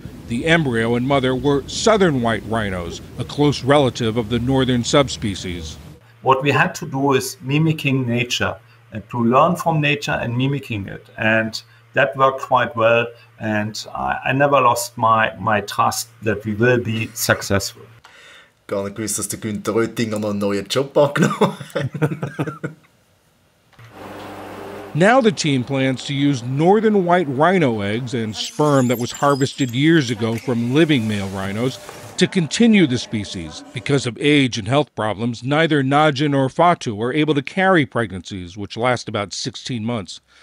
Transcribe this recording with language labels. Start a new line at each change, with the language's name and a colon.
English: The embryo and mother were southern white rhinos, a close relative of the northern subspecies. What we had to do is mimicking nature, and to learn from nature and mimicking it. And that worked quite well, and I never lost my trust that we will be successful.
German: Gar nicht gewusst, dass der Günther Röttinger noch einen neuen Job angenommen hat.
English: Now the team plans to use northern white rhino eggs and sperm that was harvested years ago from living male rhinos to continue the species. Because of age and health problems, neither Najin nor Fatu are able to carry pregnancies, which last about 16 months.